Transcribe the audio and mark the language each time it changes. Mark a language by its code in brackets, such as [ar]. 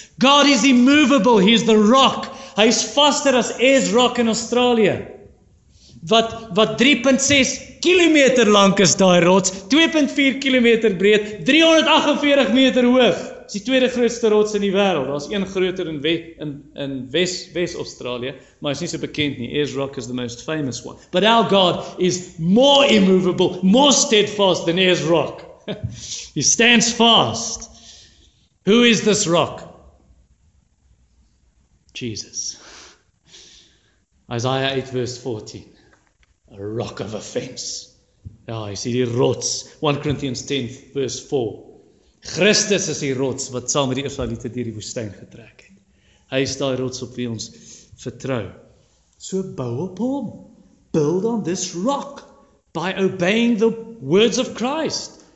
[en] God is immovable, He is the rock. [af] Hy is vaster as Ayers Rock in Australië. Wat 3.6 kilometer lank is daai rots, 2.4 kilometer breed, 348 meter hoog. Dit is die tweede grootste rots in die wêreld. Daar is een groter in Wes-Australië, maar is nie so bekend nie. [en] Ayers Rock is the most famous one. But our God is more immovable, more steadfast than Ayers Rock. He stands fast. Who is this rock? Jesus. Isaiah 8 verse 14. A rock of offense. [af] Ja, hy sê die rots. [en] 1 Corinthians 10 verse 4. [af] Christus is die rots wat saam met die Israeliete deur die woestyn getrek het. Hy is daai rots op wie ons vertrou. So bou op hom. [en] Build on this rock by obeying the words of Christ.